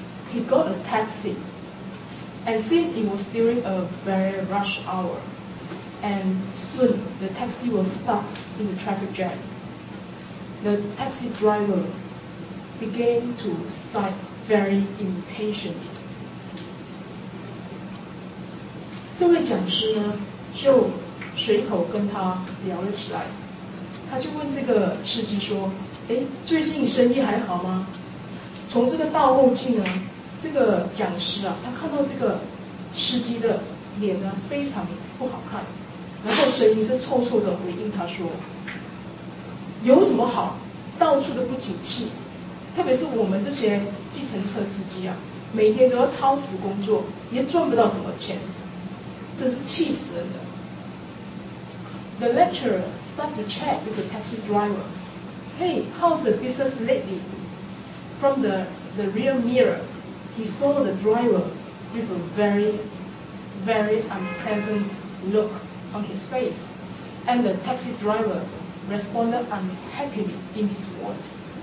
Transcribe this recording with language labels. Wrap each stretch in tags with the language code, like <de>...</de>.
<en>He got a taxi, and since it was during a very rush hour,And soon, the taxi was stuck in the traffic jam. The taxi driver began to sigh very impatiently.</en> <zh>这位讲师呢，就随口跟他聊了起来。他就问这个司机说：“哎，最近生意还好吗？” 从这个倒后镜呢，这个讲师啊，他看到这个司机的脸呢非常不好看，然后声音是臭臭的回应他说：“有什么好？到处都不景气，特别是我们这些计程车司机啊，每天都要超时工作，也赚不到什么钱，真是气死人的。”</zh> <en>The lecturer started to chat with the taxi driver. "Hey, how's the business lately?" From the rear mirror, he saw the driver with a very, very unpleasant look on his face, and the taxi driver responded unhappily in his words.</en>